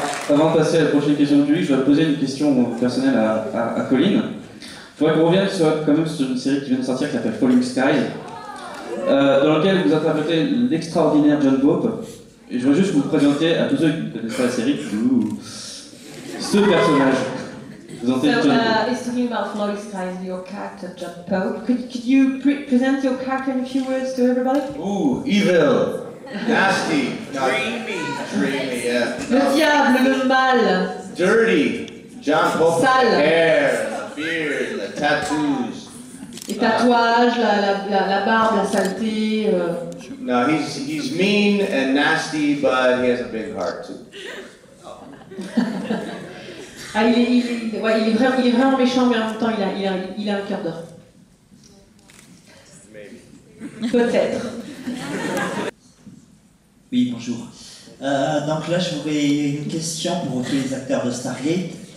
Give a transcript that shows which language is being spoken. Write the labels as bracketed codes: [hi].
[fr] Avant de passer à la prochaine question du public, je vais poser une question personnelle à Colin. Il faudrait qu'on revienne sur une série qui vient de sortir qui s'appelle Falling Sky, dans laquelle vous interprétez l'extraordinaire John Pope. Et je voudrais juste vous présenter à tous ceux qui ne connaissent pas la série, ce personnage. Vous entendez John Pope. [en] So, it's talking about Falling Sky, your character John Pope. Could you present your character in a few words to everybody? Ooh, evil! Nasty, dreamy, yeah. [fr] Le diable, le mal. [en] Dirty, John Pope. [fr] Sale. [en] Hair, beard, tattoos. [fr] Les tatouages, la barbe, la saleté. [en] No, he's mean and nasty, but he has a big heart too. [fr] Ah, il est vraiment méchant, mais en même temps, il a un cœur d'or. Peut-être. Oui, bonjour. Donc là, j'aurais une question pour tous les acteurs de Stargate.